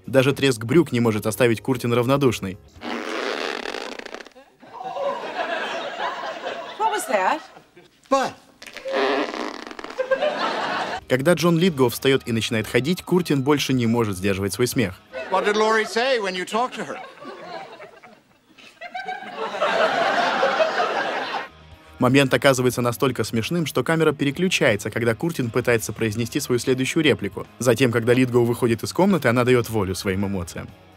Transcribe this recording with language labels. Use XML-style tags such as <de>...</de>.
<ru>Даже треск брюк не может оставить Куртин равнодушной. Что это? Что? Когда Джон Литгоу встает и начинает ходить, Куртин больше не может сдерживать свой смех.</ru> <en>What did Lori say when you talked to her?</en> <ru>Момент оказывается настолько смешным, что камера переключается, когда Куртин пытается произнести свою следующую реплику. Затем, когда Литгоу выходит из комнаты, она дает волю своим эмоциям.</ru>